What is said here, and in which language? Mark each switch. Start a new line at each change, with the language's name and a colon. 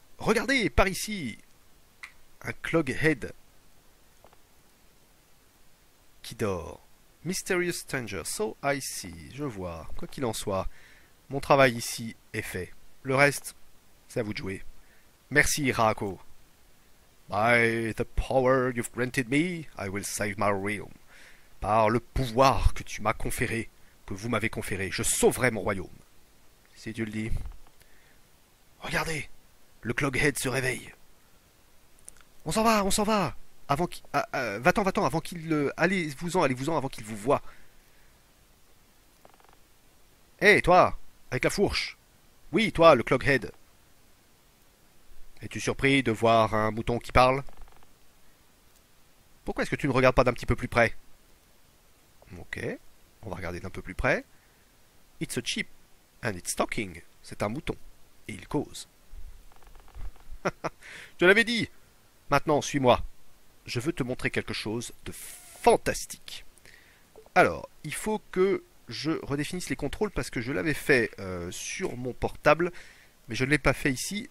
French: Regardez, par ici! Un Cloghead qui dort.
English: Mysterious Stranger, so I see.
French: Je vois. Quoi qu'il en soit, mon travail ici est fait. Le reste, c'est à vous de jouer. Merci, Raako.
English: By the power you've granted me, I will save my realm.
French: Par le pouvoir que tu m'as conféré, que vous m'avez conféré, je sauverai mon royaume. Si tu le dis. Regardez, le Cloghead se réveille. On s'en va, on s'en va! Avant qu'il. Va-t'en, va-t'en, avant qu'il. Allez vous-en, avant qu'il vous voie! Hé, hey, toi! Avec la fourche! Oui, toi, le Cloghead! Es-tu surpris de voir un mouton qui parle? Pourquoi est-ce que tu ne regardes pas d'un petit peu plus près? Ok, on va regarder d'un peu plus près.
English: It's a sheep, and it's talking.
French: C'est un mouton, et il cause. Je te l'avais dit! Maintenant, suis-moi. Je veux te montrer quelque chose de fantastique. Alors, il faut que je redéfinisse les contrôles parce que je l'avais fait sur mon portable, mais je ne l'ai pas fait ici.